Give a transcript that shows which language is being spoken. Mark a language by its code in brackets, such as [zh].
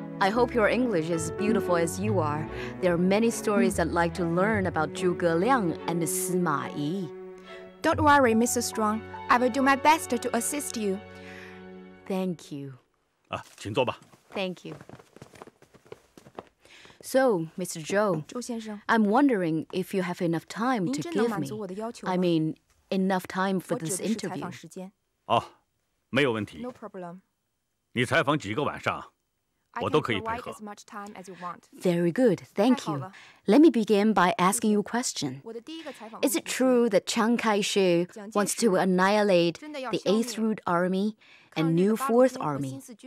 [en] I hope your English is beautiful as you are. There are many stories I'd like to learn about Zhuge Liang and Sima Yi. Don't worry, Mrs. Strong. I will do my best to assist you. Thank you. [zh] 啊，请坐吧。 [en] Thank you. So, Mr. Zhou, [zh] 周先生 [en] I'm wondering if you have enough time to give me. [zh] 您真能满足我的要求吗 [en] I mean, enough time for this interview. [zh] 我只是采访时间。哦。没有问题。 [en] No problem. [zh] 你采访几个晚上，我都可以配合。 [en] I can provide as much time as you want. Very good. Thank you. Let me begin by asking you a question. [zh] 我的第一个采访。 [en] Is it true that Chiang Kai-shek wants to annihilate the Eighth Road Army and New Fourth Army?